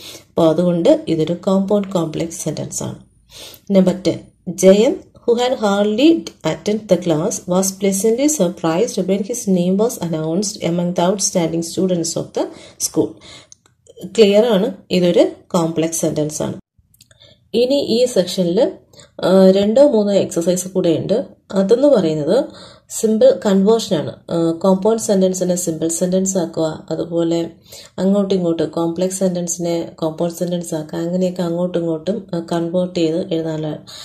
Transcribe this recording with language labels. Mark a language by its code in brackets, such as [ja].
[ml] അപ്പോൾ അതുകൊണ്ട് ഇതൊരു കോമ്പൗണ്ട് കോംപ്ലക്സ് സെൻറ്റൻസ് ആണ്. [en] Number 10, Jayant who had hardly attended the class was pleasantly surprised when his name was announced among the outstanding students of the school. [ml] Clear ആണ്, ഇതൊരു complex sentence ആണ്. ഇനി ഈ സെക്ഷനിൽ രണ്ടോ മൂന്നോ എക്സസൈസ് കൂടെ ഉണ്ട്. അതെന്ന് പറയുന്നത് സിമ്പിൾ കൺവേർഷനാണ്. കോമ്പൗണ്ട് സെൻറ്റൻസിനെ സിമ്പിൾ സെൻറ്റൻസ് ആക്കുക, അതുപോലെ അങ്ങോട്ടും ഇങ്ങോട്ടും കോംപ്ലക്സ് സെൻറ്റൻസിനെ കോമ്പൗണ്ട് സെൻറ്റൻസ് ആക്കുക, അങ്ങനെയൊക്കെ അങ്ങോട്ടും ഇങ്ങോട്ടും കൺവേർട്ട് ചെയ്ത് എഴുതാനാണ്.